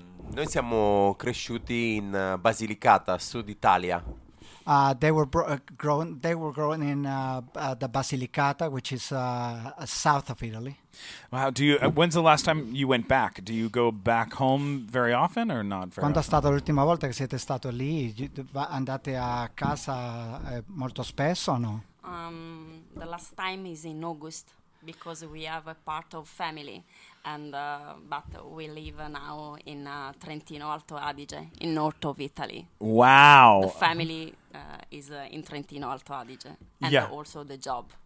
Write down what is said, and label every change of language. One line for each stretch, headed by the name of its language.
Italian: Noi siamo cresciuti in Basilicata, Sud Italia.
English: They were grown in the Basilicata, which is south of Italy. Wow. Do you? When's the last time you went back? Do you go back home very often or not very?
Italian: Quando è stata l'ultima volta che siete stato lì? Andate a casa molto spesso o no?
English: The last time is in August because we have a part of family, and but we live now in Trentino Alto Adige, in north of Italy. Wow. The family is in Trentino Alto Adige, and yeah, also the job.